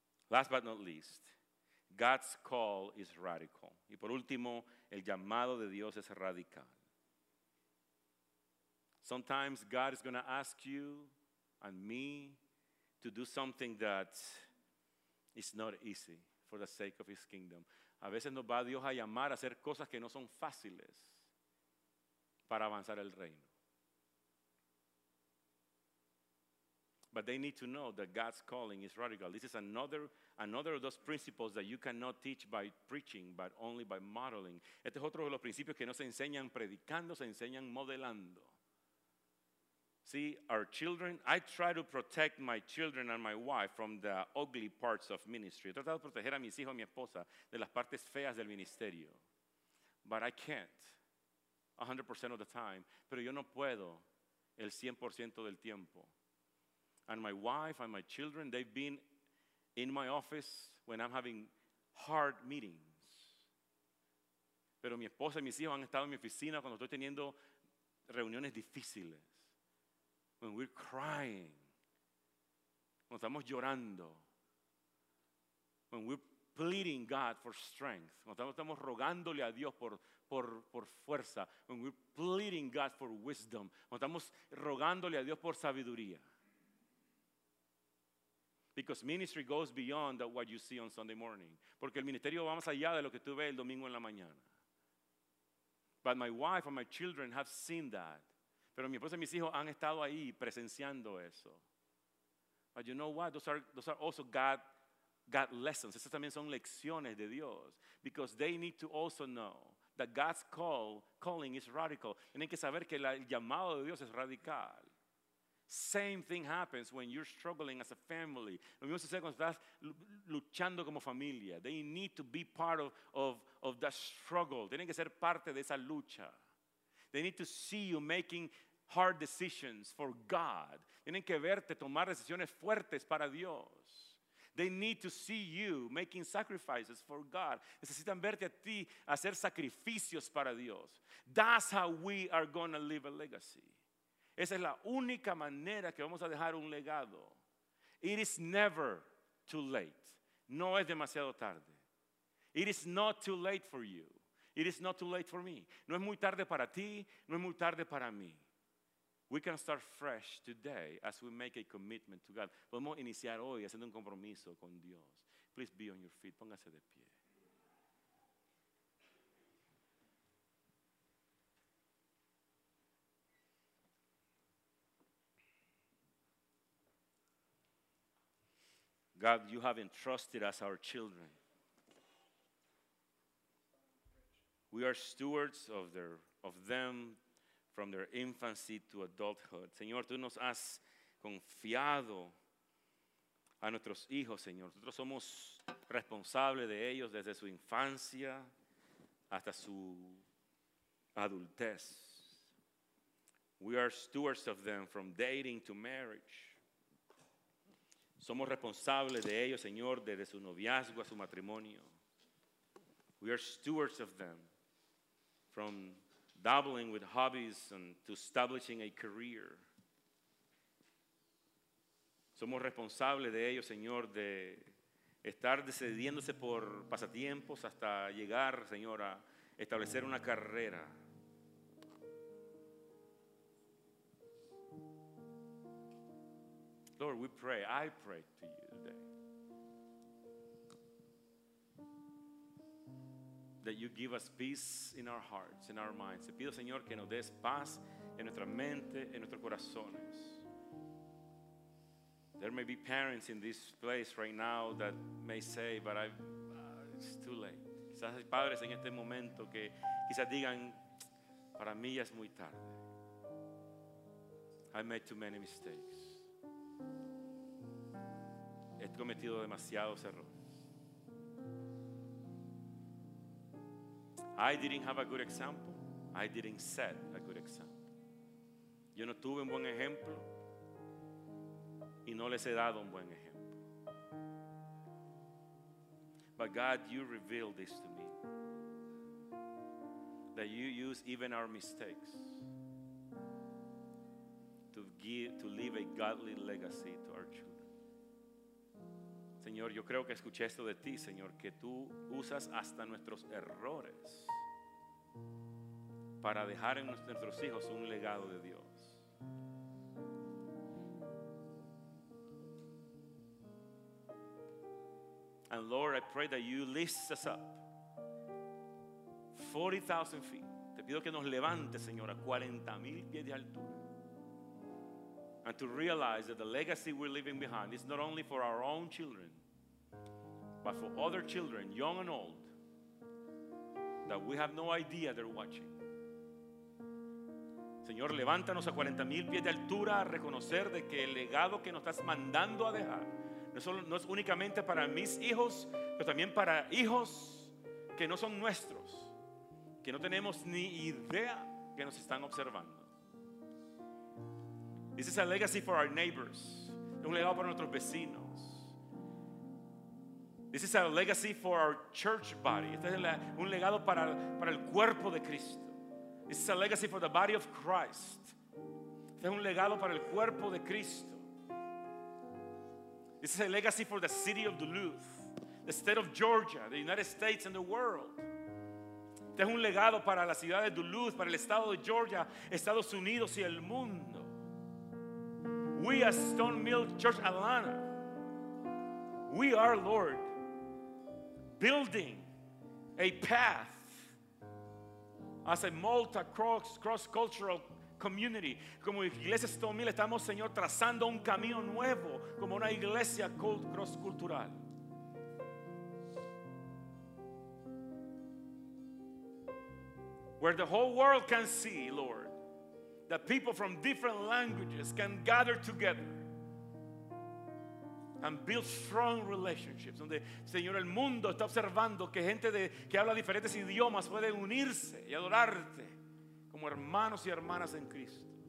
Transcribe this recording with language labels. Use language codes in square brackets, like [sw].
[en] Last but not least, God's call is radical. [es] Y por último, el llamado de Dios es radical. [en] Sometimes God is going to ask you and me to do something that is not easy for the sake of his kingdom. [es] A veces nos va Dios a llamar a hacer cosas que no son fáciles para avanzar el reino. [en] But they need to know that God's calling is radical. This is another of those principles that you cannot teach by preaching, but only by modeling. [es] Este es otro de los principios que no se enseñan predicando, se enseñan modelando. [en] See, our children, I try to protect my children and my wife from the ugly parts of ministry. [es] He tratado de proteger a mis hijos y mi esposa de las partes feas del ministerio. [en] But I can't, 100% of the time. [es] Pero yo no puedo el 100% del tiempo. [en] And my wife and my children, they've been in my office when I'm having hard meetings. [es] Pero mi esposa y mis hijos han estado en mi oficina cuando estoy teniendo reuniones difíciles. [en] When we're crying, [es] cuando estamos llorando, [en] when we're pleading God for strength, [es] cuando estamos rogándole a Dios por fuerza, [en] when we're pleading God for wisdom, [es] cuando estamos rogándole a Dios por sabiduría. [en] Because ministry goes beyond what you see on Sunday morning. [es] Porque el ministerio va más allá de lo que tú ves el domingo en la mañana. [en] But my wife and my children have seen that. [es] Pero mi esposa y mis hijos han estado ahí presenciando eso. [en] But you know what? Those are also God lessons. [es] Esas también son lecciones de Dios. [en] Because they need to also know that God's calling is radical. [es] Tienen que saber que el llamado de Dios es radical. [en] Same thing happens when you're struggling as a family. [es] Lo mismo sucede cuando estás luchando como familia. [en] They need to be part of that struggle. [es] Tienen que ser parte de esa lucha. [en] They need to see you making hard decisions for God. [es] Tienen que verte tomar decisiones fuertes para Dios. [en] They need to see you making sacrifices for God. [es] Necesitan verte a ti hacer sacrificios para Dios. [en] That's how we are going to leave a legacy. [es] Esa es la única manera que vamos a dejar un legado. [en] It is never too late. [es] No es demasiado tarde. [en] It is not too late for you. It is not too late for me. [es] No es muy tarde para ti, no es muy tarde para mí. [en] We can start fresh today as we make a commitment to God. [es] Podemos iniciar hoy haciendo un compromiso con Dios. [en] Please be on your feet. [es] Póngase de pie. [en] God, you have entrusted us our children. We are stewards of them from their infancy to adulthood. [es] Señor, tú nos has confiado a nuestros hijos, Señor. Nosotros somos responsables de ellos desde su infancia hasta su adultez. [en] We are stewards of them from dating to marriage. [es] Somos responsables de ellos, Señor, desde su noviazgo a su matrimonio. [en] We are stewards of them from dabbling with hobbies and to establishing a career. [es] Somos responsables de ellos, Señor, de estar decidiéndose por pasatiempos hasta llegar, Señor, a establecer una carrera. [en] Lord, we pray. I pray to you today that you give us peace in our hearts, in our minds. [es] Te pido, Señor, que nos des paz en nuestra mente, en nuestros corazones. [en] There may be parents in this place right now that may say, but it's too late. [es] Quizás hay padres en este momento que quizás digan, para mí ya es muy tarde. [en] I made too many mistakes. [es] He cometido demasiados errores. [en] I didn't have a good example. I didn't set a good example. [es] Yo no tuve un buen ejemplo y no les he dado un buen ejemplo. [en] But God, you revealed this to me, that you use even our mistakes to leave a godly legacy to our children. [es] Señor, yo creo que escuché esto de ti, Señor, que tú usas hasta nuestros errores para dejar en nuestros hijos un legado de Dios. [en] And Lord, I pray that you lift us up 40,000 feet. [es] Te pido que nos levantes, Señor, a 40,000 pies de altura. [en] And to realize that the legacy we're leaving behind is not only for our own children, but for other children, young and old, that we have no idea they're watching. [es] Señor, levántanos a 40,000 pies de altura a reconocer de que el legado que nos estás mandando a dejar no es únicamente para mis hijos, pero también para hijos que no son nuestros, que no tenemos ni idea que nos están observando. [en] This is a legacy for our neighbors. [es] Es un legado para nuestros vecinos. [en] This is a legacy for our church body. [es] Este es un legado para el cuerpo de Cristo. [en] This is a legacy for the body of Christ. [es] Este es un legado para el cuerpo de Cristo. [en] This is a legacy for the city of Duluth, the state of Georgia, the United States and the world. [es] Este es un legado para la ciudad de Duluth, para el estado de Georgia, Estados Unidos y el mundo. [en] We as Stone Mill Church Atlanta, we are, Lord, building a path as a multi cross-cultural community. [es] Como iglesia Stone Mill estamos, Señor, trazando un camino nuevo como una iglesia cross-cultural. [en] where the whole world can see, Lord, that people from different languages can gather together and build strong relationships. [es] Donde, Señor, el mundo está observando que gente de, que habla diferentes idiomas puede unirse y adorarte como hermanos y hermanas en Cristo.